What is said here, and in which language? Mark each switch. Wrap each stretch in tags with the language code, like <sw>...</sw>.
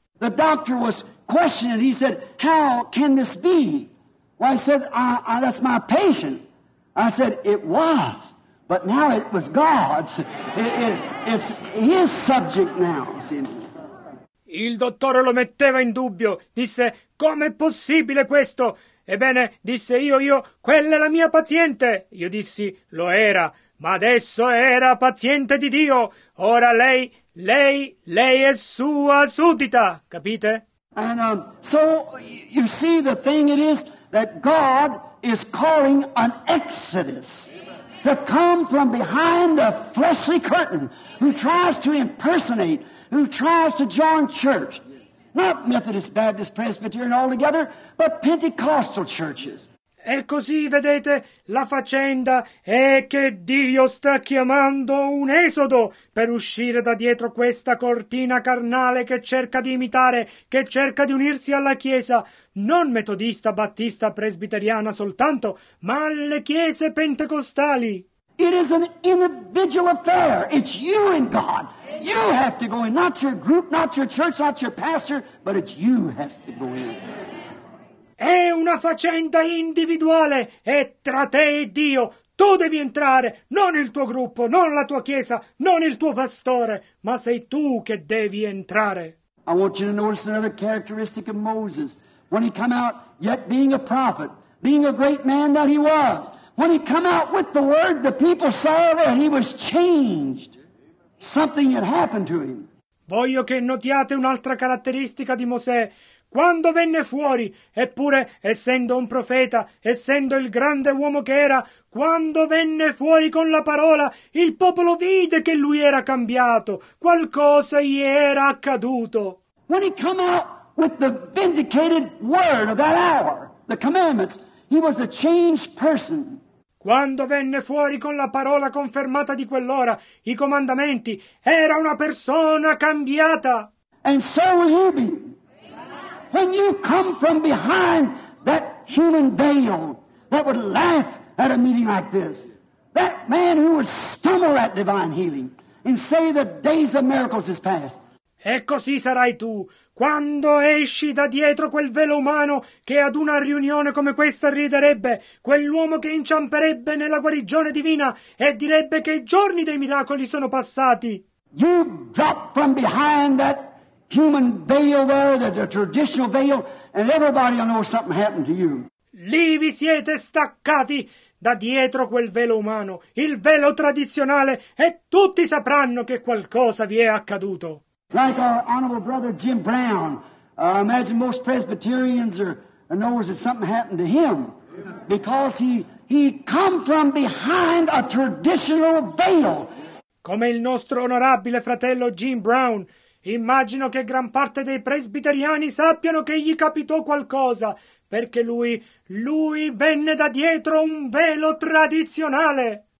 <en>The doctor was questioning, he said, how can this be? Well, I said, that's my patient. I said, it was, but now it was God's. It's his subject now. See?</en> <it>Il dottore lo metteva in dubbio. Disse, com'è possibile questo? Ebbene, disse, io, quella è la mia paziente. Io dissi, lo era, ma adesso era paziente di Dio. Ora lei è sua suddita, capite?</it> <en>And so you see the thing it is that God is calling an exodus to come from behind the fleshly curtain who tries to impersonate, who tries to join church. Not Methodist, Baptist, Presbyterian all together, but Pentecostal churches.</en> <it>E così, vedete, la faccenda è che Dio sta chiamando un esodo per uscire da dietro questa cortina carnale che cerca di imitare, che cerca di unirsi alla Chiesa, non metodista, battista, presbiteriana soltanto, ma alle chiese pentecostali.</it> <en>It is an individual affair. It's you and God. You have to go in, not your group, not your church, not your pastor, but it's you has to go in.</en> <it>È una faccenda individuale, è tra te e Dio. Tu devi entrare, non il tuo gruppo, non la tua chiesa, non il tuo pastore, ma sei tu che devi entrare.</it> <en>I want you to notice another characteristic of Moses. When he come out, yet being a prophet, being a great man that he was, when he come out with the word, the people saw that he was changed. Something had happened to him.</en> <it>Voglio che notiate un'altra caratteristica di Mosè. Quando venne fuori, eppure essendo un profeta, essendo il grande uomo che era, quando venne fuori con la parola, il popolo vide che lui era cambiato, qualcosa gli era accaduto.</it> <en>When he came out with the vindicated word of that hour, the commandments, he was a changed person.</en> <it>Quando venne fuori con la parola confermata di quell'ora, i comandamenti, era una persona cambiata.</it> <en>And so will you be. When you come from behind that human veil that would laugh at a meeting like this, that man who would stumble at divine healing and say the days of miracles is past.</en> <it>E così sarai tu quando esci da dietro quel velo umano che ad una riunione come questa riderebbe, quell'uomo che inciamperebbe nella guarigione divina e direbbe che i giorni dei miracoli sono passati.</it> <en>You drop from behind that human veil there, the traditional veil, and everybody will know something happened to you.</en> <it>Lì vi siete staccati da dietro quel velo umano, il velo tradizionale, e tutti sapranno che qualcosa vi è accaduto.</it> <en>Like our honorable brother Jim Brown, imagine most Presbyterians are knows that something happened to him, because he come from behind a traditional veil.</en> <it>Come il nostro onorabile fratello Jim Brown. Immagino che gran parte dei presbiteriani sappiano che gli capitò qualcosa, perché lui venne da dietro un velo tradizionale.</it>